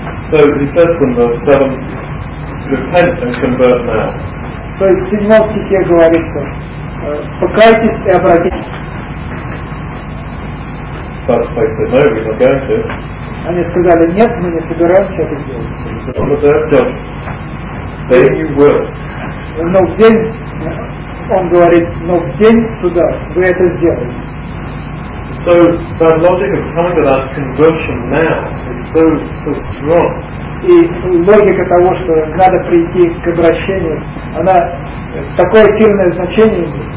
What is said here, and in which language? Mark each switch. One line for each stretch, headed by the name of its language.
English: So he says in verse 7, repent and convert now.
Russian: То есть в 7 стихе говорится, покайтесь и обратитесь.
English: But they said, no, we're not going to.
Russian: Они сказали, нет, мы не собираемся это делать. Но в день, он говорит, но в день суда вы это сделаете.
English: So the logic of coming to that conversion now is so strong.
Russian: И логика того, что надо прийти к обращению, она такое сильное значение имеет.